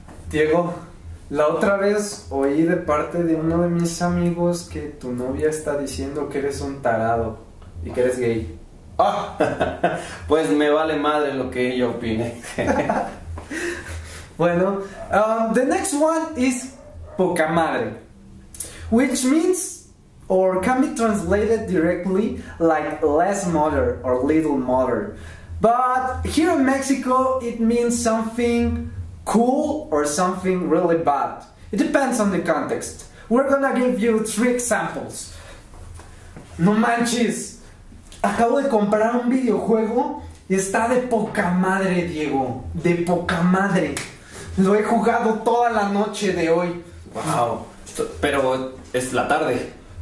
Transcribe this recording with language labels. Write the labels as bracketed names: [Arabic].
[Spanish] Diego, la otra vez oí de parte de uno de mis amigos que tu novia está diciendo que eres un tarado y que eres gay. Oh, pues me vale madre lo que ella opine. [English] Bueno, the next one is poca madre, which means or can be translated directly like less mother or little mother. But here in Mexico, it means something cool or something really bad. It depends on the context. We're gonna give you 3 examples. [Spanish] No manches, acabo de comprar un videojuego y está de poca madre, Diego. De poca madre. Lo he jugado toda la noche de hoy. Wow, pero es la tarde.